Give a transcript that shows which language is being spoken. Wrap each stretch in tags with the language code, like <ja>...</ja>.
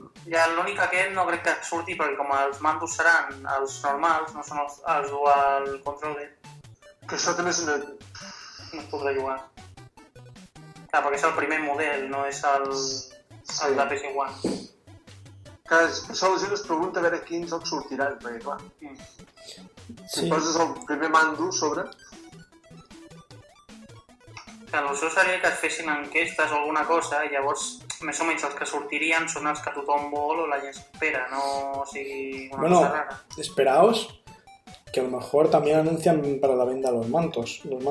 <ca>Ja, l'únic aquest no crec que surti, perquè com els mandos seran els normals, no són els dual controller. Que això també és una... No es podrà jugar. Clar, perquè és el primer model, no és el de PC One. Que això la gent es pregunta a veure quins jocs sortiran, perquè clar... Sí. Si poses el primer mando sobre... Que l'opció seria que es fessin enquestes o alguna cosa, i llavors més o menys els que sortirien són els que tothom vol o la gent espera, no sigui una bueno, cosa rara.</ca> <es>Esperaos, que a lo mejor también anuncian para la venda los mandos.</es>